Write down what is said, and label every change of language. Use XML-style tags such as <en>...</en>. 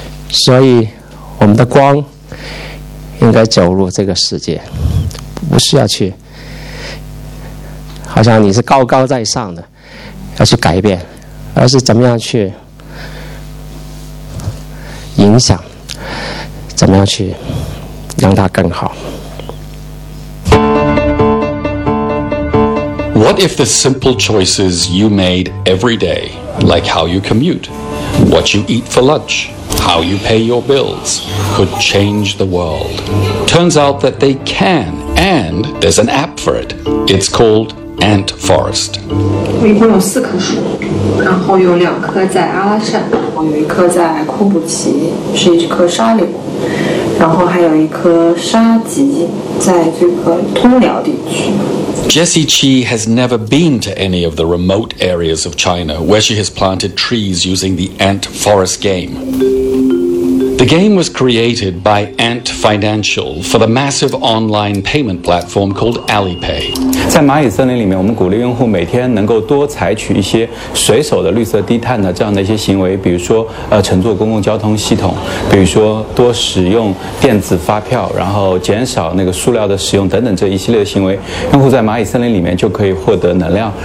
<zh>所以我们的光应该走入这个世界，不需要去好像你是高高在上的要去改变，而是怎么样去影响，怎么样去让它更好。</zh> <en>What if the simple choices you made every day, like how you commute, what you eat for lunch, how you pay your bills, could change the world? Turns out that they can, and there's an app for it. It's called Ant Forest.</en> <zh>我一共有四棵树，然后有两棵在阿拉善，有一棵在库布齐，是一棵沙柳，然后还有一棵沙棘在这个通辽地区。</zh> <en>Jesse Chi has never been to any of the remote areas of China where she has planted trees using the Ant Forest game. The game was created by Ant Financial for the massive online payment platform called Alipay.</en> <zh>在蚂蚁森林里面，我们鼓励用户每天能够多采取一些随手的绿色低碳的这样的一些行为，比如说乘坐公共交通系统，比如说多使用电子发票，然后减少那个塑料的使用等等这一系列的行为，用户在蚂蚁森林里面就可以获得能量。</zh>